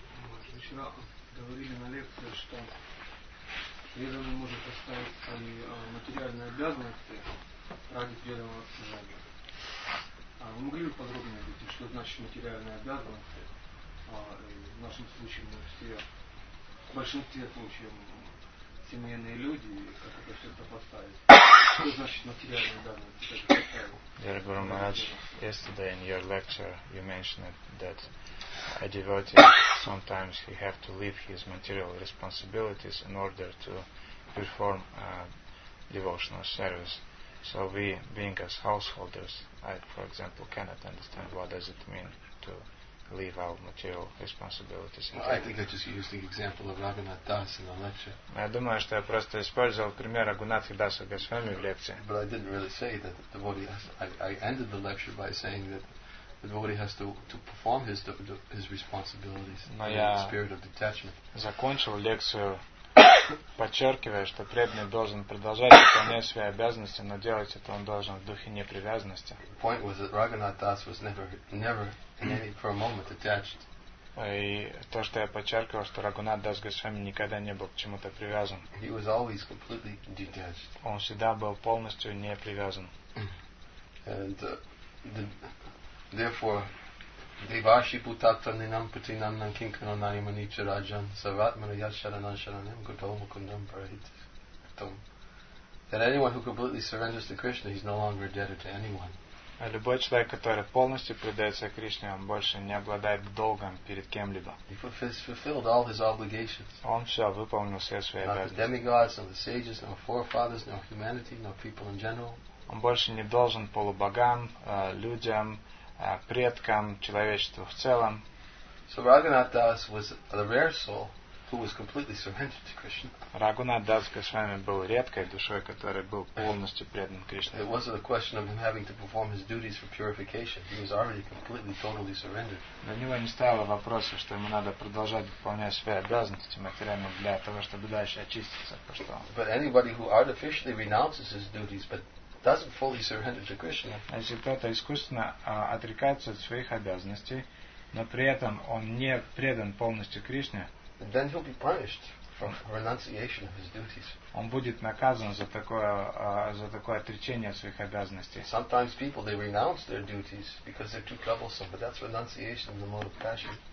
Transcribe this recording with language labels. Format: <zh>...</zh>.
<ru>Вот, мы вчера говорили на лекции, что преданный может оставить свои материальные обязанности ради преданного служения. могли бы подробнее объяснить, что значит материальная обязанность? В нашем случае мы все, в большинстве случаев, семейные люди, как это все сопоставить? Что значит материальная обязанность?</ru> <en>Dear Guru Maharaj, yesterday in your lecture you mentioned that a devotee sometimes he have to leave his material responsibilities in order to perform devotional service. So we, being as householders, I, for example, cannot understand what does it mean to leave our material responsibilities. Well, I think I just used the example of Raghunath Das in the lecture.</en> <ru>Я думаю, что я просто использовал пример Рагунатхи Даса Госвами в лекции.</ru> <en>But I didn't really say that the devotee has. I ended the lecture by saying that the devotee has to perform his responsibilities in the spirit of detachment.</en> <ru>Закончил лекцию. Подчеркивая, что преданный должен продолжать выполнять свои обязанности, но делать это он должен в духе непривязанности.</ru> <en>Point was that Raghunath Das was never in any for a moment attached.</en> <ru>И то, что я подчеркивал, что Рагунатх Дас Госвами никогда не был к чему-то привязан.</ru> <en>He was always completely detached.</en> <ru>Он всегда был полностью не привязан.</ru> <en>And therefore</en> <sa>Devashi putata ninam putinam nankinkano nanimani charajan saratmana yasharanan sharanam gudomukundam parahitam.</sa> <en>That anyone who completely surrenders to Krishna, he's no longer a debtor to anyone.</en> <ru>А любой человек, который полностью предается Кришне, он больше не обладает долгом перед кем-либо.</ru> <en>He fulfilled all his obligations.</en> <ru>Он все выполнил, все свои обязанности.</ru> <en>Not the demigods, not the sages, not forefathers, not humanity, not people in general.</en> <ru>Он больше не должен полубогам, людям, предкам, человечеству в целом.</ru> <en>So Raghunath Das was the rare soul who was completely surrendered to Krishna.</en> <ru>Рагунатх Дас Госвами был редкой душой, которая был полностью предан Кришне.</ru> <en>It wasn't a question of him having to perform his duties for purification. He was already completely, totally surrendered.</en> <ru>На него не стало вопроса, что ему надо продолжать выполнять свои обязанности материально для того, чтобы дальше очиститься, потому что.</ru> <en>But anybody who artificially renounces his duties, but doesn't fully surrender to Krishna.</en> <ru>Если кто-то искусственно отрекается от своих обязанностей, но при этом он не предан полностью Кришне,</ru> <en>then he'll be punished for renunciation of his duties.</en> <ru>Он будет наказан за такое отречение от своих обязанностей.</ru> <en>Sometimes people they renounce their duties because they're too troublesome, but that's renunciation of the mode of passion.</en>